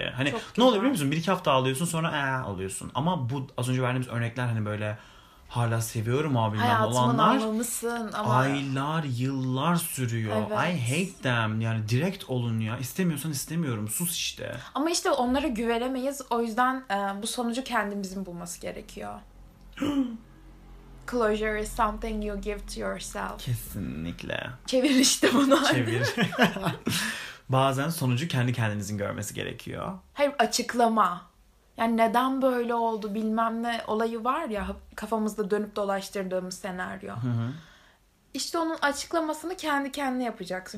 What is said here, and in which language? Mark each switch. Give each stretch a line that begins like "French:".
Turkish: Hani çok ne oluyor biliyor musun? Bir iki hafta ağlıyorsun sonra alıyorsun. Ama bu az önce verdiğimiz örnekler hani böyle hala seviyorum abimden hayatımın olanlar. Hayatımın ağlamısın ama. Aylar yıllar sürüyor. Evet.
English: I hate them.
Turkish: Yani direkt olun ya. İstemiyorsan istemiyorum. Sus işte. Ama işte onlara güvenemeyiz. O yüzden bu sonucu kendimizin bulması gerekiyor.
English: Closure is something you give to yourself.
Turkish: Kesinlikle. Çevir işte bunu. Çevir. Bazen sonucu kendi kendinizin görmesi gerekiyor. Hayır, açıklama. Yani neden böyle oldu bilmem ne olayı var ya kafamızda dönüp dolaştırdığımız senaryo. Hı-hı. İşte onun açıklamasını kendi kendine yapacaksın.